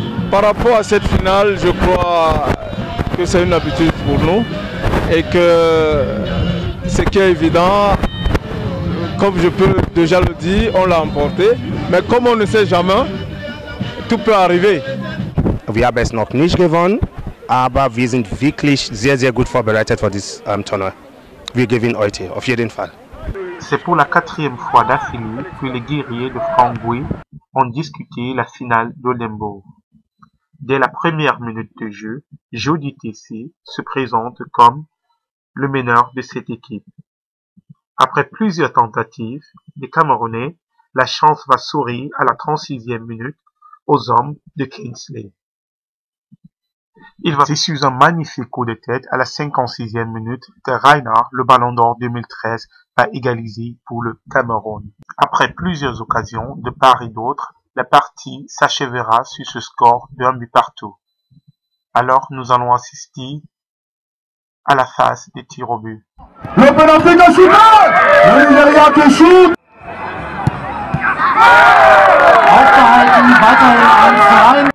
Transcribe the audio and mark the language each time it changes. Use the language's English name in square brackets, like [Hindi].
[French] Par rapport à cette finale, je crois que c'est une habitude pour nous et que ce qui est évident, comme je peux déjà le dire, on l'a emporté. Mais comme on ne sait jamais, tout peut arriver. [German] Wir haben es noch nicht gewonnen, aber wir sind wirklich sehr, sehr gut vorbereitet für dieses Turnier. Wir gewinnen heute, auf jeden Fall. [French] C'est pour la quatrième fois d'affilée que les guerriers de Frangouy ont disputé la finale de Limbourg. Dès la première minute de jeu, Jody TC se présente comme le meneur de cette équipe. Après plusieurs tentatives, les Camerounais, la chance va sourire à la 36e minute aux hommes de Kingsley. Il va essuyer un magnifique coup de tête à la 56e minute de Reinhard, le Ballon d'Or 2013 va égaliser pour le Cameroun. Après plusieurs occasions de part et d'autre, la partie s'achèvera sur ce score de 1 but partout. Alors nous allons assister à la phase des tirs au but. Le penalty de Chouba, le Nigeria qui shoot. [German] Aufgehalten, weiterhin 1-1.